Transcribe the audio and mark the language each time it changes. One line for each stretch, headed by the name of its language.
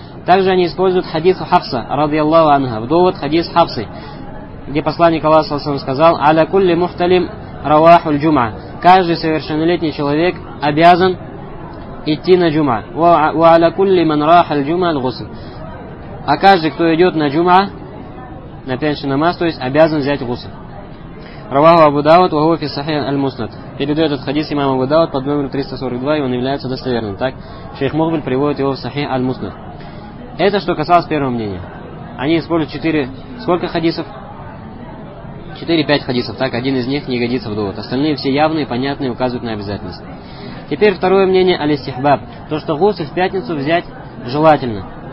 Russian: Также они используют хадис Хафса, радиаллаху анха, в довод хадис Хафсы, где посланник Аллаха саллаллаху алейхи ва саллям сказал:
Arabic: «Аля кулли мухталим раваху аль-джума».
Russian: Каждый совершеннолетний человек обязан идти на джума.
Arabic: وَعَلَى كُلِّ مَنْ رَاحَ الْجُمَعَ الْغُسْلِ.
Russian: А каждый, кто идет на джума, на пятничный намаз, то есть обязан взять гусль.
Arabic: رواه أبو داود وهو في صحيح المسند.
Russian: Передает этот хадис имам Абу Дауд под номером 342, и он является достоверным. Так, шейх Мухбиль приводит его в صحيح المسند. Это что касалось первого мнения. Они используют сколько хадисов? 4-5 хадисов, так, один из них не годится в довод. Остальные все явные, понятные, указывают на обязательность. Теперь второе мнение «Алистихбаб», то, что гусль в пятницу взять желательно.